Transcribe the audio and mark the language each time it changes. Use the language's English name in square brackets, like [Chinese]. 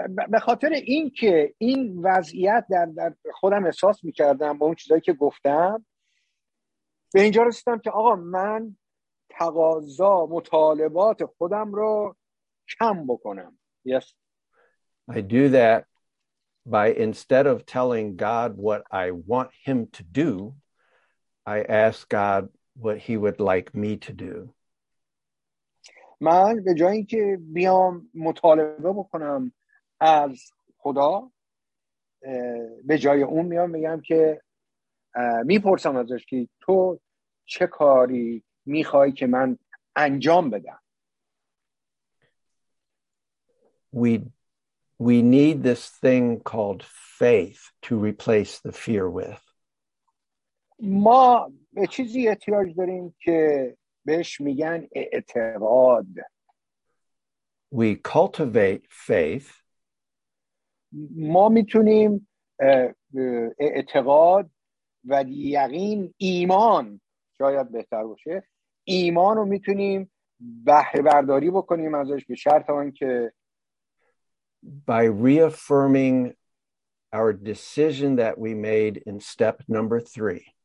[Persian] به خاطر این که این وضعیت در خودم احساس میکردم با اون چیزایی که گفتم، به اینجا رسیدم که آقا من تقاضا مطالبات خودم رو کم بکنم. [English] Yes. I do that by instead of telling God what I want him to do, I ask God what he would like me to do. [Persian] من به جای این که بیام مطالبه بکنم از خدا، به جای اون میام میگم که میپرسم ازش که تو چه کاری میخوای که من انجام بدم. [English] We need this thing called faith to replace the fear with. [Persian] ما به چیزی احتیاج داریم که بهش میگن اعتقاد. [English] We cultivate faith. [Persian] ما میتونیم اعتقاد و یقین، ایمان شاید بهتر باشه، ایمان رو میتونیم بهره برداری بکنیم ازش، به شرط اون که [English] by reaffirming our decision that we made in step number 3،